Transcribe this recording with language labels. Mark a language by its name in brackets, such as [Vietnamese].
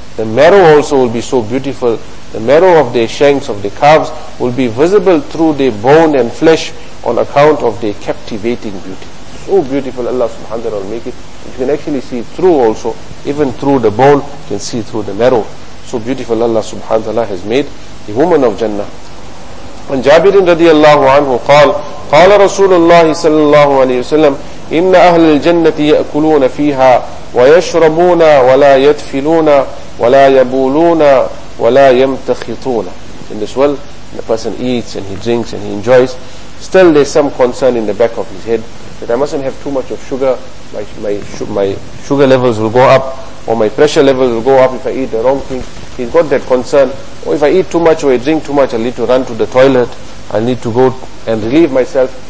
[English] The marrow also will be so beautiful. The marrow of their shanks, of their calves, will be visible through their bone and flesh on account of their captivating beauty. So beautiful, Allah subhanahu wa ta'ala will make it. You can actually see through also, even through the bone, you can see through the marrow. So beautiful Allah subhanahu wa ta'ala has made the woman of Jannah. [Arabic] عن جابر رضي الله عنه قال قال رسول الله صلى الله عليه وسلم إن أهل الجنة يأكلون فيها ويشربون ولا يدفلون ولا يبولون ولا يمتخطون. [English] In this world, the person eats and he drinks and he enjoys, still there's some concern in the back of his head that I mustn't have too much of sugar, my sugar levels will go up, or my pressure levels will go up if I eat the wrong thing. He's got that concern. Or if I eat too much or I drink too much, I need to run to the toilet, I need to go and relieve myself.